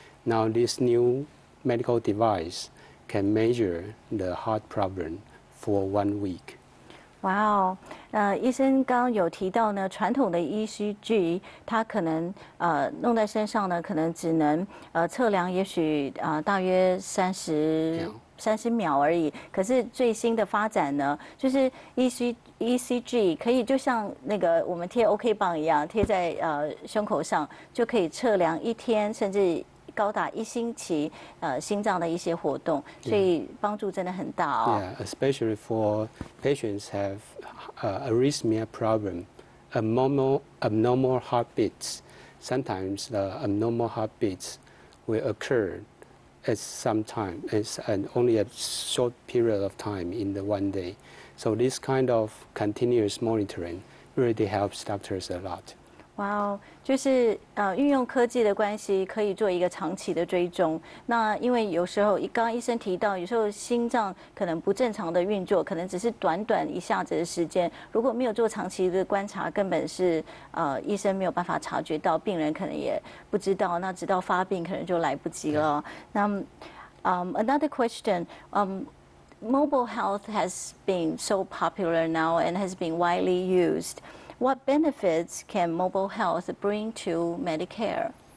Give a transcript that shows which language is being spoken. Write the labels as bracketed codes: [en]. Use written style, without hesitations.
[en] Now this new medical device can measure the heart problem for 1 week. [zh] 哇哦，医生刚刚有提到呢，传统的 ECG 它可能弄在身上呢，可能只能测量也许大约30秒而已。可是最新的发展呢，就是 ECG 可以就像那个我们贴 OK 棒一样贴在胸口上，就可以测量一天甚至高达一星期心脏的一些活动，所以帮助真的很大哦。 [en] Yeah, especially for patients have arrhythmia problem, abnormal heartbeats. Sometimes the abnormal heartbeats will occur at some time, and only a short period of time in the 1 day. So this kind of continuous monitoring really helps doctors a lot. [zh] 哇哦，就是运用科技的关系，可以做一个长期的追踪。那因为有时候，刚刚医生提到，有时候心脏可能不正常的运作，可能只是短短一下子的时间，如果没有做长期的观察，根本是医生没有办法察觉到，病人可能也不知道，那直到发病可能就来不及了。 [en] 那another question, mobile health has been so popular now and has been widely used.What benefits can mobile health bring to Medicare?